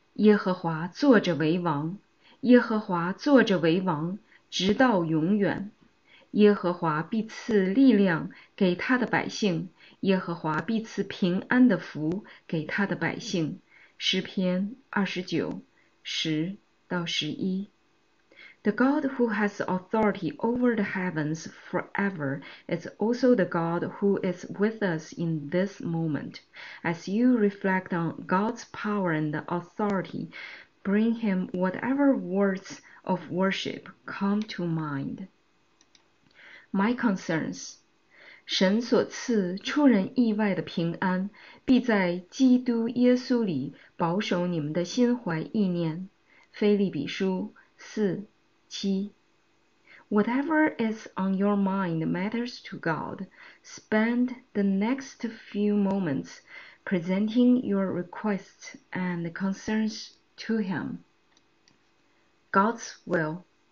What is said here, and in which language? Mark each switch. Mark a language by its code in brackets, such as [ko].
[zh] 耶和华坐着为王，耶和华坐着为王，直到永远。耶和华必赐力量给他的百姓，耶和华必赐平安的福给他的百姓。诗篇29:10-11。 [en] The God who has authority over the heavens forever is also the God who is with us in this moment. As you reflect on God's power and authority, bring him whatever words of worship come to mind. My concerns. [zh] 神所赐出人意外的平安，必在基督耶稣里保守你们的心怀意念。腓立比书4:7。 [en] Whatever is on your mind matters to God. Spend the next few moments presenting your requests and concerns to Him. God's will.